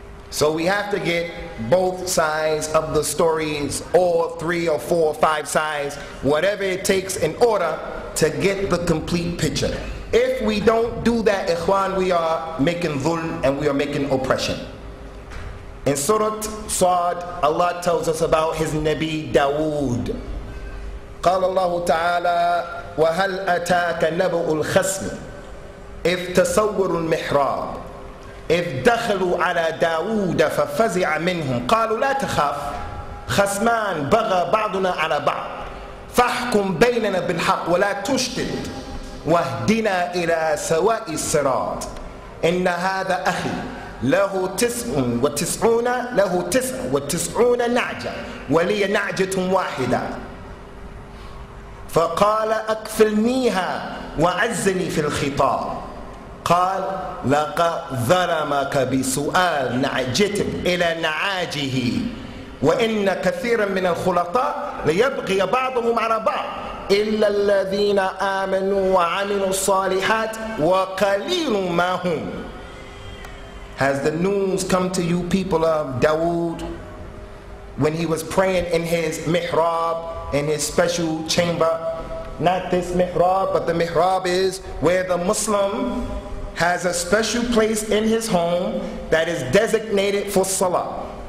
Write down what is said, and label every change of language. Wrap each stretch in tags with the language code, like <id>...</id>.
<en>So we have to get both sides of the stories, all three or four or five sides, whatever it takes in order to get the complete picture. If we don't do that, ikhwan, we are making dhulm and we are making oppression. In Surah Sa'd, Allah tells us about his Nabi Dawood.</en> <ar>قال الله تعالى وَهَلْ أَتَاكَ نَبُؤُ الْخَسْمِ إِذْ تَصَوَّرُ الْمِحْرَابِ إِذْ دَخَلُوا عَلَى دَاوُودَ فَفَزِعَ مِنْهُمْ قَالُوا لَا تَخَافْ خَسْمَانْ بَغَى بَعْضُنَا عَلَى بَعْضٍ فَاحْكُمْ بَيْنَنَا بِالْحَقِّ وَلَا تُشْتِتْ وَاهْدِنَا إِلَى سَوَاءِ الصِّرَاطِ إِنَّ هَذَا أَخِي لَهُ تِسْعٌ وَتِسْعُونَ لَهُ تِسْعٌ وَتِسْعُونَ نَعْجَةً وَلِيَ نَعْجَةٌ وَاحِدَةً فقال أكفلنيها وعزني في الخطاب قال لقد ظلمك بسؤال نعجتك إلى نعاجه وإن كثيرا من الخلطاء ليبغي بعضهم على بعض إلا الذين آمنوا وعملوا الصالحات وقليل ما هم.</ar> <en>Has the news come to you people of Dawood when he was praying in his mihrab, in his special chamber? Not this mihrab, but the mihrab is where the Muslim has a special place in his home that is designated for salah.</en>